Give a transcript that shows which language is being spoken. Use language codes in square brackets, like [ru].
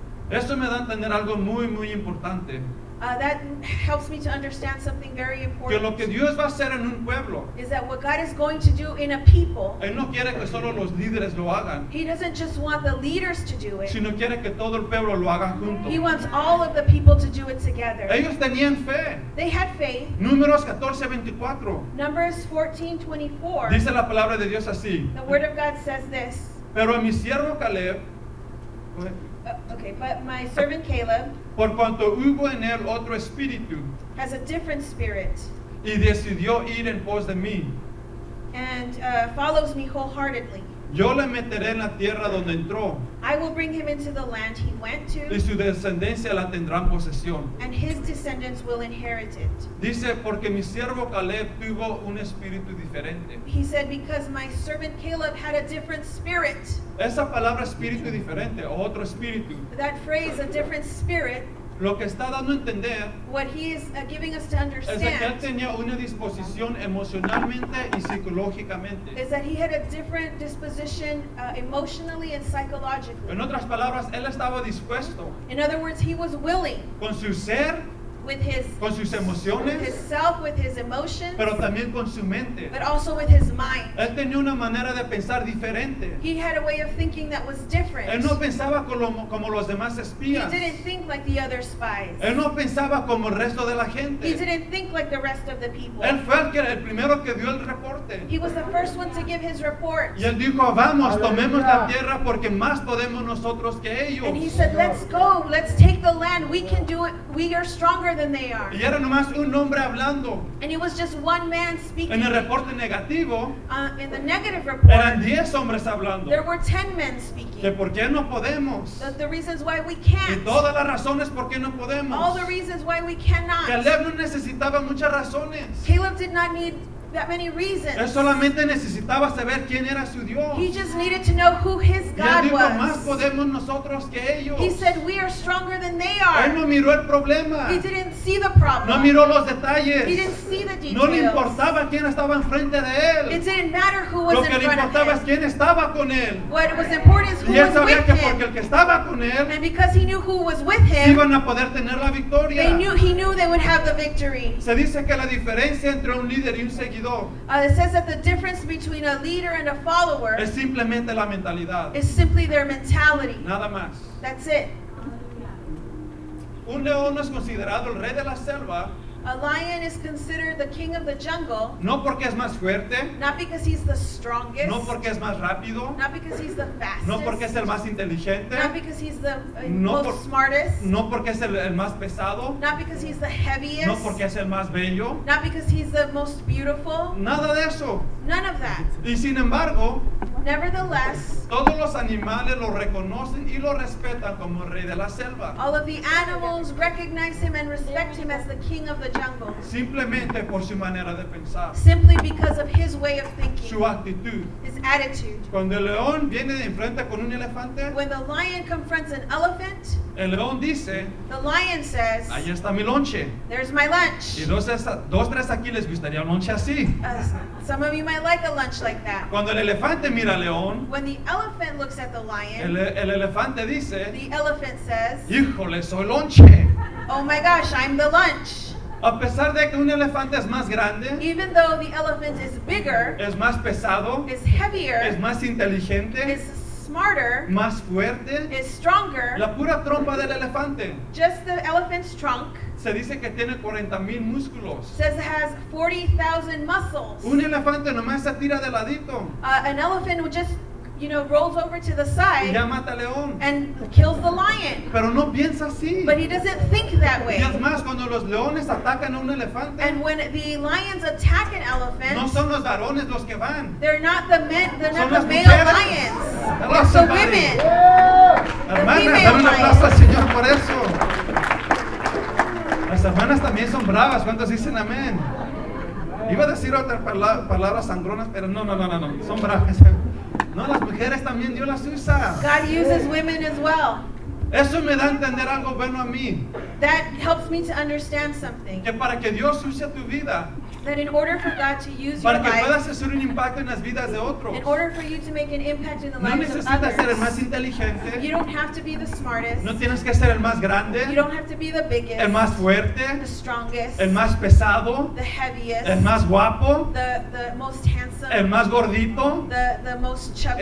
[es] Esto me da a entender algo muy, muy importante. [en] That helps me to understand something very important. [es] Que lo que Dios va a hacer en un pueblo, [en] is that what God is going to do in a people. [es] Él no quiere que solo los líderes lo hagan. [en] He doesn't just want the leaders to do it. [es] Sino quiere que todo el pueblo lo haga junto. [en] He wants all of the people to do it together. [es] Ellos tenían fe. [en] They had faith. [es] Números 14:24. [en] Numbers 14:24. [es] Dice la palabra de Dios así. [en] The word of God says this. [es] Pero mi siervo Caleb. [en] Okay, but my servant Caleb, [es] por cuanto hubo en él otro espíritu, [en] has a different spirit, [es] y decidió ir en pos de mí, [en] and follows me wholeheartedly, [es] yo le meteré en la tierra donde entró, [en] I will bring him into the land he went to, [es] y su descendencia la tendrá en posesión, [en] and his descendants will inherit it. [es] Dice, porque mi siervo Caleb tuvo un espíritu diferente. [en] He said, because my servant Caleb had a different spirit. [es] Esa palabra espíritu diferente, o otro espíritu. [en] That phrase, a different spirit. [es] Lo que está dando a entender, [en] what he is giving us to understand, [es] es que él tenía una disposición emocionalmente y psicológicamente. [en] Is that he had a different disposition emotionally and psychologically. [es] En otras palabras, él estaba dispuesto. [en] In other words, he was willing. [es] Con su ser, [en] with his, [es] con sus emociones, [en] with his self, with his emotions, [es] pero también con su mente, [en] but also with his mind. [es] Él tenía una manera de pensar diferente. [en] He had a way of thinking that was different. [es] Él no pensaba como los demás espías. [en] He didn't think like the other spies. [es] Él no pensaba como el resto de la gente. [en] He didn't think like the rest of the people. [es] Él fue el primero que dio el reporte. [en] He was the first one to give his report. [es] Y él dijo, vamos, tomemos la tierra porque más podemos nosotros que ellos. [en] And he said, let's go, let's take the land. We can do it. We are stronger than they are. [es] Y era nomás un hombre hablando. [en] And it was just one man speaking. [es] En el reporte negativo, [en] in the negative report, [es] eran 10 hombres hablando. [en] There were 10 men speaking. [es] De por qué no podemos. [en] The reasons why we can't. [es] Y todas las razones por qué no podemos. [en] All the reasons why we cannot. [es] Caleb no necesitaba muchas razones. [en] Caleb did not need that many reasons. [es] Él solamente necesitaba saber quién era su Dios. [en] He just needed to know who his God [es] dijo, [en] was. [es] Más podemos nosotros que ellos. [en] He said, we are stronger than they are. [es] Él no miró el problema. [en] He didn't see the problem. [es] No miró los detalles. [en] He didn't see the details. [es] No le importaba quién estaba enfrente de él. [en] It didn't matter who was in front of him. [es] Lo que le importaba es quién estaba con él. [en] What was important is who was with him. [es] Y él sabía que porque el que estaba con él, [en] and because he knew who was with him, [es] iban a poder tener la victoria. [en] He knew they would have the victory. [es] Se dice que la diferencia entre un líder y un seguidor, [en] It says that the difference between a leader and a follower [es] es simplemente la mentalidad. [en] Is simply their mentality. [es] Nada más. [en] That's it. [es] Un león no es considerado el rey de la selva. [en] A lion is considered the king of the jungle. [es] No porque es más fuerte. [en] Not because he's the strongest. [es] No porque es más rápido. [en] Not because he's the fastest. [es] No porque es el más inteligente. [en] Not because he's the most smartest. [es] No porque es el más pesado. [en] Not because he's the heaviest. [es] No porque es el más bello. [en] Not because he's the most beautiful. [es] Nada de eso. [en] None of that. [es] Y sin embargo, [en] nevertheless, [es] todos los animales lo reconocen y lo respetan como el rey de la selva. [en] All of the animals recognize him and respect him as the king of the jungle. [es] Simplemente por su manera de pensar. [en] Simply because of his way of thinking. [es] Su actitud. [en] His attitude. [es] Cuando el león viene de enfrente con un elefante, [en] when the lion confronts an elephant, [es] el león dice, [en] the lion says, [es] ahí está mi lonche. [en] There's my lunch. [es] Y dos, tres aquí les gustaría un lonche así. [en] Some of you might like a lunch like that. [es] Cuando el elefante mira al león, [en] when the elephant looks at the lion, [es] el elefante dice, [en] the elephant says, [es] híjole, soy lonche. [en] Oh my gosh, I'm the lunch. [es] A pesar de que un elefante es más grande, [en] even though the elephant is bigger, [es] es más pesado, [en] is heavier, [es] es más inteligente, [en] is smarter, [es] más fuerte, [en] is stronger, [es] la pura trompa del elefante, [en] just the elephant's trunk, [es] se dice que tiene 40,000 músculos. [en] Says it has 40,000 muscles. [es] Un elefante nomás se tira de ladito. [en] An elephant would just, you know, rolls over to the side [es] y ya mata al león. [en] And kills the lion. [es] Pero no piensa así. [en] But he doesn't think that way. [es] Y es más, cuando los leones atacan a un elefante, [en] and when the lions attack an elephant, [es] no son los varones los que van. [en] They're not the men, they're not the male lions. Hello, it's somebody. The women. Yeah. [es] Hermanas, dan un aplauso al Señor por eso. Las hermanas también son bravas. ¿Cuántos dicen amén? Iba a decir otras palabras sangronas, pero no. Son bravas. No, las mujeres también Dios las usa. [en] God uses women as well. [es] Eso me da a entender algo bueno a mí. [en] That helps me to understand something. [es] Que para que Dios use tu vida. [en] That in order for God to use [es] para [en] your [es] que [en] life, [es] puedas hacer un impacto en las vidas de otros. [en] In order for you to make an impact in the [es] no [en] lives [es] necesitas [en] of others, [es] ser el más inteligente. [en] You don't have to be the smartest. [es] No tienes que ser el más grande. [en] You don't have to be the biggest. [es] El más fuerte. [en] The strongest. [es] El más pesado. [en] The heaviest. [es] El más guapo. [en] The most handsome. [es] El más gordito. [en] The most chubby.